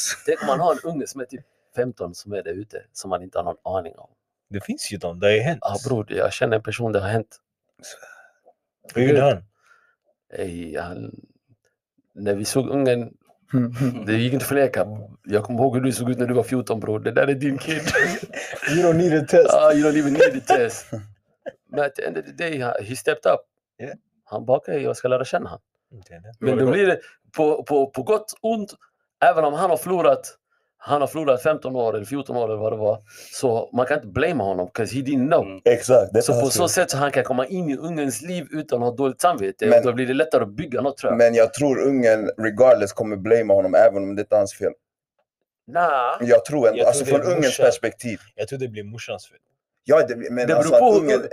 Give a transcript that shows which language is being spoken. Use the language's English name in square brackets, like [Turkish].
[Swedish] Tänk om man har en unge som är typ 15 som är där ute, som man inte har någon aning om. Det finns ju de, det har ju hänt. Ja bror, jag känner en person, det har hänt. Hur gjorde han? Ey, han... När vi såg ungen, det gick inte för leka. Jag kommer ihåg hur du såg ut när du var 14, bror. Det där är din kid. [English] You don't need a test. Ah, you don't even need a test. But at the end of the day, he stepped up. Yeah. [Swedish] Han bara, okay, jag ska lära känna han. Men då blir det på gott och ont, även om han har förlorat 15 år eller 14 år eller vad det var. Så man kan inte blame honom, [English] because he didn't know. [Swedish] Exakt. Så på så sätt så han kan komma in i ungens liv utan att ha dåligt samvete. Men, då blir det lättare att bygga något, tror jag. Men jag tror ungen, regardless, kommer blame honom även om det är hans fel. Nah. Jag tror ändå, alltså från ungens perspektiv. Jag tror det blir morsans fel. Ja, det beror på ungen ändå.